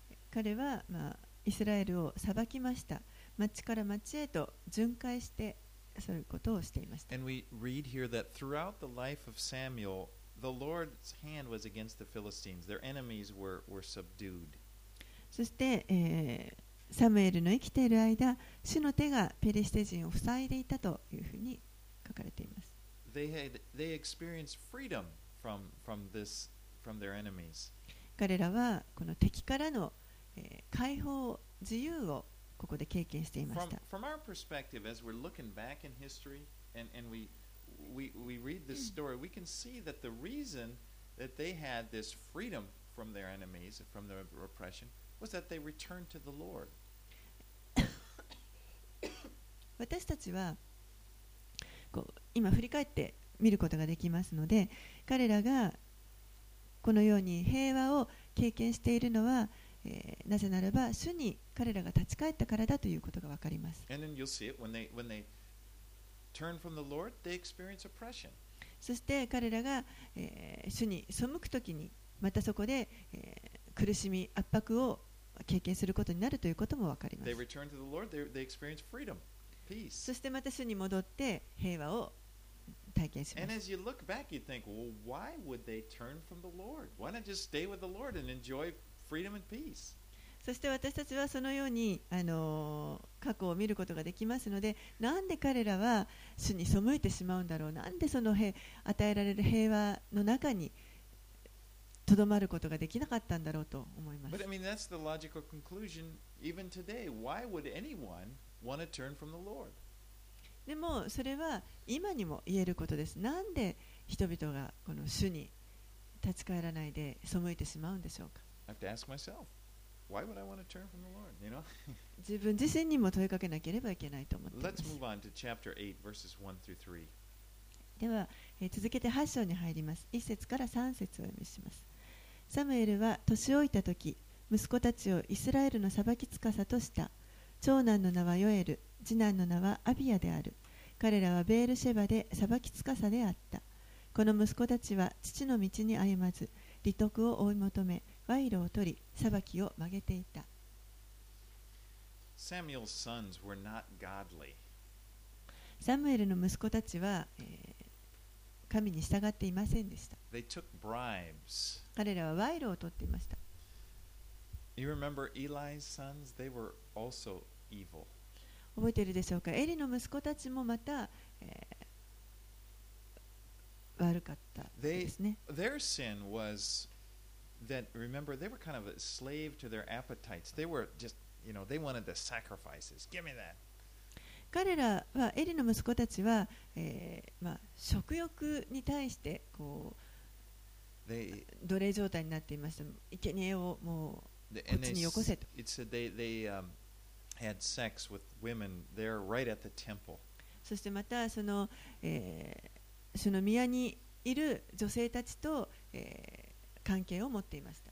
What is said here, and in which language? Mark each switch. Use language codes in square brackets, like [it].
[ja] 彼は、イスラエルを裁きました。町から町へと巡回してそういうことをしていました。 [en] And we read here that throughout the life of Samuel, the Lord's hand was against the Philistines. Their enemies were subdued. [ja] そして、サムエルの生きている間、主の手がペリシテ人を塞いでいたというふうに書かれています。 [en] They experienced freedom from their enemies. [ja] 彼らはこの敵からの、解放、自由をここで経験していました。 [en] From our perspective, as we're looking back in history, and we read this story, we can see that the reason that they had this freedom from their enemies, from their oppression,was that they returned to the Lord. [ja] 私たちはこう今振り返って見ることができますので、彼らがこのように平和を経験しているのは、なぜならば主に彼らが立ち返ったからだということが分かります。 [en] And then you'll see it when they turn from the Lord, they experience oppression. [ja] そして彼らが、主に背くときに、またそこで、苦しみ圧迫を経験することになるということも分かります。 [en] they experience freedom, peace. [ja] そしてまた主に戻って平和を体験します。 [en] And as you look back, you think, well, why would they turn from the Lord? Why not just stay with the Lord and enjoy freedom and peace? [ja] そして私たちはそのように、過去を見ることができますので、なんで彼らは主に背いてしまうんだろう、なんでその与えられる平和の中にとどまることができなかったんだろうと思います。 [en] But I mean, that's the logical conclusion even today. Why would anyone want to turn from the Lord? [ja] でもそれは今にも言えることです。なんで人々がこの主に立ち返らないで背いてしまうんでしょうか。 [en] I have to ask myself, why would I want to turn from the Lord? You know? [ja] 自分自身にも問いかけなければいけないと思っています。 [en] Let's move on to chapter 8, verses 1 through 3. [ja] では、続けて8章に入ります。1節から3節を読みします。サムエルは年老いたとき、息子たちをイスラエルの裁き司とした。長男の名はヨエル、次男の名はアビアである。彼らはベールシェバで裁き司であった。この息子たちは父の道に歩まず、利得を追い求め、賄賂を取り、裁きを曲げていた。 [en] サムエルの sons were not godly. [ja] サムエルの息子たちは、神に従っていませんでした。 [en] They took bribes. [ja] 彼らは賄賂を取っていました。 [en] You remember Eli's sons? They were also evil. [ja] 覚えているでしょうか。エリの息子たちもまた、悪かったですね。 [en] Their sin was that, remember, they were kind of a slave to their appetites. They were just, you know, they wanted the sacrifices. Give me that. [ja] 彼らは、エリの息子たちは、食欲に対してこう奴隷状態になっていました。生贄をもうこっちによこせと。 [en] It said they had sex with women there right at the temple. [ja] そしてまたその、その宮にいる女性たちと、関係を持っていました。